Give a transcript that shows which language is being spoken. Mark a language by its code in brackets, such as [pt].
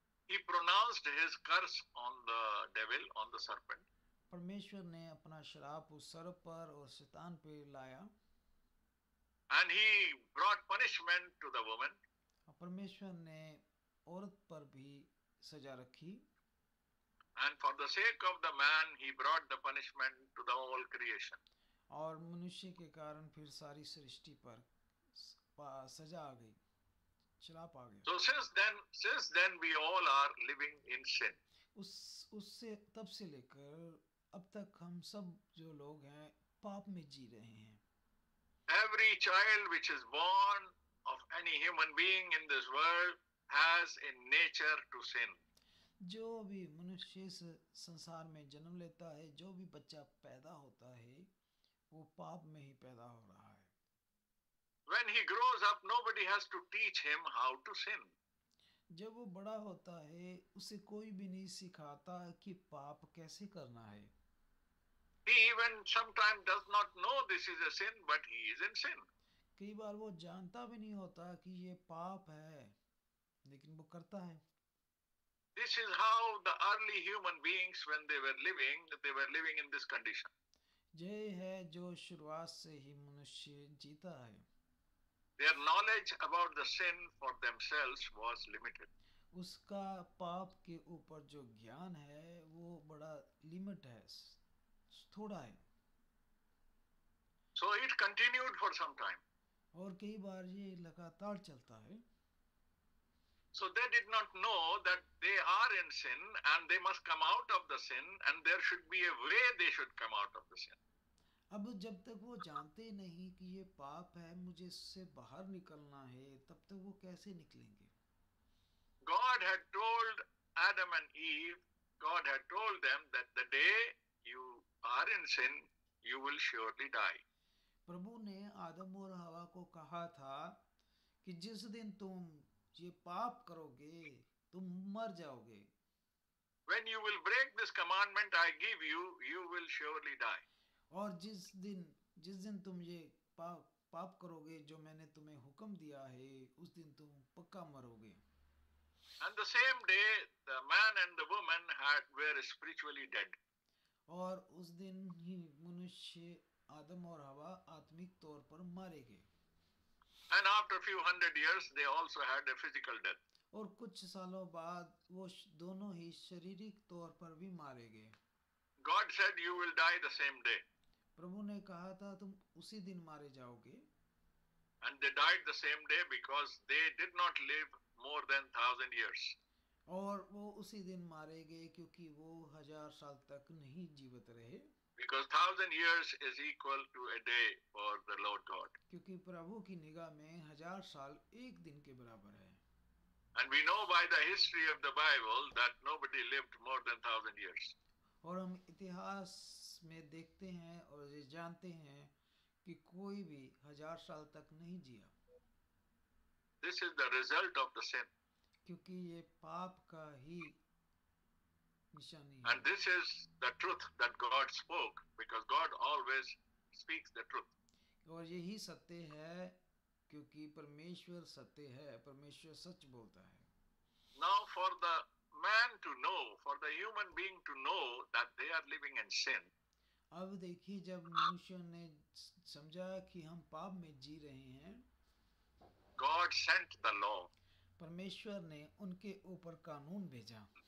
[en] He pronounced his curse on the devil, on the serpent. [hi] परमेश्वर ने अपना श्राप उस सर्प पर और शैतान पे लाया. [en] And he brought punishment to the woman. [hi] परमेश्वर ने औरत पर भी सजा रखी. [en] And for the sake of the man, he brought the punishment to the whole creation. [hi] और मनुष्य के कारण फिर सारी सृष्टि पर सजा आ गई, श्राप आ गया. [en] So since then we all are living in sin. [hi] उससे तब से लेकर अब तक हम सब जो लोग हैं पाप में जी रहे हैं. [en] Every child which is born of any human being in this world has a nature to sin. [hi] जो भी मनुष्य संसार में जन्म लेता है, जो भी बच्चा पैदा होता है, वो पाप में ही पैदा हो रहा है. [en] When he grows up, nobody has to teach him how to sin. [hi] जब वो बड़ा होता है, उसे कोई भी नहीं सिखाता कि पाप कैसे करना है. [en] He even sometimes does not know this is a sin, but he is in sin. [hi] कई बार वो जानता भी नहीं होता कि ये पाप है, लेकिन वो करता है. [en] This is how the early human beings, when they were living in this condition. [hi] ये है जो शुरुआत से ही मनुष्य जीता है. [en] Their knowledge about the sin for themselves was limited. [hi] उसका पाप के ऊपर जो ज्ञान है, वो बड़ा लिमिट है, थोड़ा है. [en] So it continued for some time. [hi] और कई बार ये लगातार चलता है. [en] So they did not know that they are in sin and they must come out of the sin and there should be a way they should come out of the sin. [hi] अब जब तक वो जानते नहीं कि ये पाप है, मुझे इससे बाहर निकलना है, तब तक वो कैसे निकलेंगे? [en] God had told Adam and Eve, God had told them that the day you are in sin, you will surely die. [hi] प्रभु ने आदम और हवा को कहा था कि जिस दिन तुम ये पाप करोगे, तुम मर जाओगे. [en] When you will break this commandment I give you, you will surely die. [hi] और जिस दिन तुम ये पाप करोगे जो मैंने तुम्हें हुक्म दिया है, उस दिन तुम पक्का मरोगे. [en] And the same day the man and the woman were spiritually dead. [hi] और उस दिन ही मनुष्य आदम और हवा आत्मिक तौर पर मारे गए. [en] And after a few hundred years, they also had a physical death. [hi] और कुछ सालों बाद वो दोनों ही शारीरिक तौर पर भी मारे गए. [en] God said, "You will die the same day." [hi] प्रभु ने कहा था तुम उसी दिन मारे जाओगे. [en] And they died the same day because they did not live more than 1,000 years. [hi] और वो उसी दिन मारे गए क्योंकि वो 1,000 साल तक नहीं जीवित रहे. [en] Because 1,000 years is equal to a day for the Lord God. [hi] क्योंकि प्रभु की निगाह में 1,000 साल एक दिन के बराबर है. [en] And we know by the history of the Bible that nobody lived more than 1,000 years. [hi] और हम इतिहास में देखते हैं और ये जानते हैं कि कोई भी 1,000 साल तक नहीं जिया. [en] This is the result of the sin. [hi] क्योंकि ये पाप का ही निशानी. [en] And this is the truth that God spoke, because God always speaks the truth. [hi] और यही सत्य है क्योंकि परमेश्वर सत्य है, परमेश्वर सच बोलता है. [en] Now for the man to know, for the human being to know that they are living in sin. [hi] अब देखिए जब मनुष्य ने समझा कि हम पाप में जी रहे हैं. [en] God sent the law. [hi] परमेश्वर ने उनके ऊपर कानून भेजा.